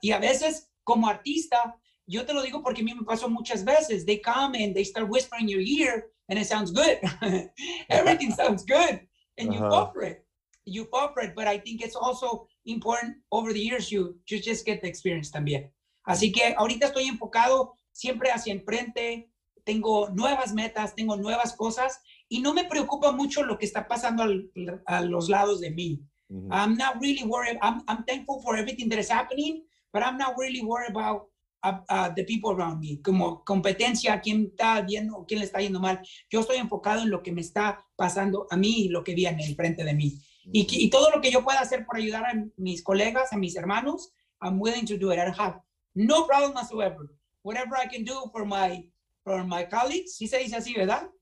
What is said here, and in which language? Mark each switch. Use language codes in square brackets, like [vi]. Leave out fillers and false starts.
[es] Y a veces, como artista, yo te lo digo porque a mí me pasó muchas veces. [en] They come and they start whispering in your ear and it sounds good. Everything sounds good. And you fall for it. You fall for it. But I think it's also important over the years you just get the experience también. [es] Así que ahorita estoy enfocado siempre hacia enfrente. Tengo nuevas metas, tengo nuevas cosas. Y no me preocupa mucho lo que está pasando a los lados de mí. [en] Mm-hmm. I'm not really worried. I'm thankful for everything that is happening, but I'm not really worried about the people around me. [es] Como competencia, quién está bien o quién le está yendo mal. Yo estoy enfocado en lo que me está pasando a mí y lo que viene enfrente de mí. Mm-hmm. Y todo lo que yo pueda hacer por ayudar a mis colegas, a mis hermanos, [en] I'm willing to do it. I have no problem whatsoever. Whatever I can do for my colleagues, [es] si se dice así, ¿verdad?